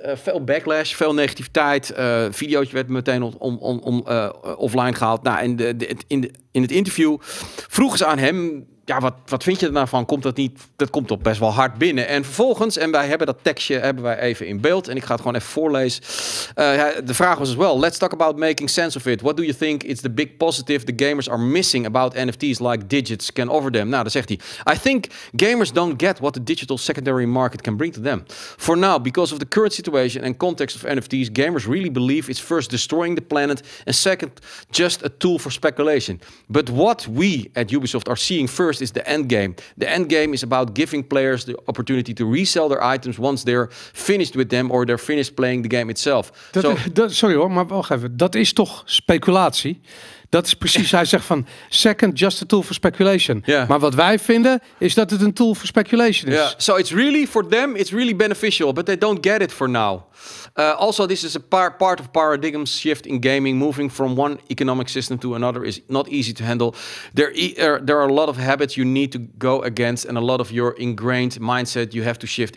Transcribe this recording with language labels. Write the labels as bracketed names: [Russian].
[Dutch] Veel backlash, veel negativiteit. Videootje werd meteen offline gehaald. Nou, in het interview vroegen ze aan hem, ja, wat vind je er nou van? Komt dat niet? Dat komt toch best wel hard binnen. En vervolgens, en wij hebben dat tekstje even in beeld. En ik ga het gewoon even voorlezen. De vraag was wel, [English] let's talk about making sense of it. What do you think is the big positive the gamers are missing about NFTs like digits can offer them? [Dutch] Nou, dan zegt hij, [English] I think gamers don't get what the digital secondary market can bring to them. For now, because of the current situation and context of NFTs, gamers really believe it's first destroying the planet and second, just a tool for speculation. But what we at Ubisoft are seeing first is the end game. The end game is about giving players the opportunity to resell their items once they're finished with them or they're finished playing the game itself. [Dutch] Sorry hoor, maar wacht even. Dat is toch speculatie? Dat is precies, hij zegt van, [English] second, just a tool for speculation. Yeah. [Dutch] Maar wat wij vinden, is dat het een [English] tool for speculation [Dutch] is. [English] Yeah. So it's really, for them, it's really beneficial, but they don't get it for now. Also, this is a part of paradigm shift in gaming. Moving from one economic system to another is not easy to handle. There are a lot of habits you need to go against and a lot of your ingrained mindset you have to shift.